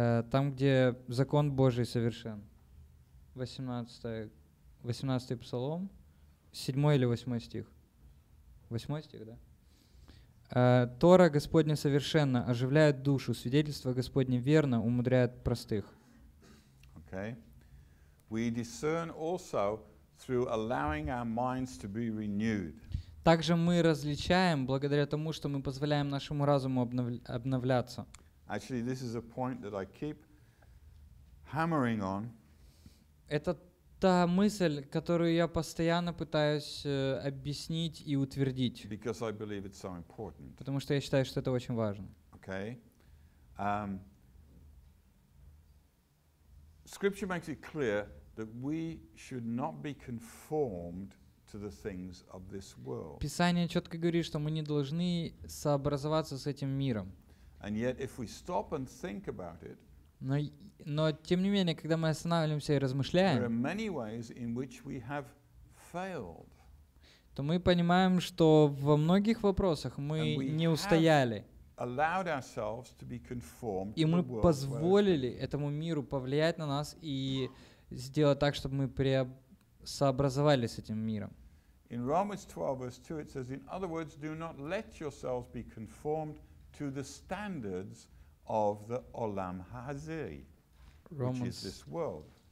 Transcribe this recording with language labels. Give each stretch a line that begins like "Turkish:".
Russian: Там, где закон Божий совершен. 18 Псалом, 7 или 8 стих? 8 стих, да? Тора Господня совершенна, оживляет душу, свидетельство Господне верно, умудряет простых.
English: Okay. We discern also through allowing our minds to be renewed.
Russian: Также мы различаем благодаря тому, что мы позволяем нашему разуму обновляться.
English: Actually, this is a point that I keep hammering on.
Russian: Это та мысль, которую я постоянно пытаюсь объяснить и утвердить.
English: Because I believe it's so important.
Russian: Потому что я считаю, что это очень важно.
English: Okay. Scripture makes it clear that we should not be conformed to the things of this world.
Russian: Писание четко говорит, что мы не должны сообразоваться с этим миром.
English: And yet, if we stop and think about it,
Russian: но тем не менее, когда мы останавливаемся и размышляем,
English: there are many ways in which we have failed.
Russian: То мы понимаем, что во многих вопросах мы не устояли.
English: Allowed ourselves to be conformed.
Russian: И мы позволили этому миру повлиять на нас и сделать так, чтобы мы сообразовались с этим миром.
English: In Romans 12, verse 2, it says, in other words, do not let yourselves be conformed to the standards of the Olam Hazeh, which is this world.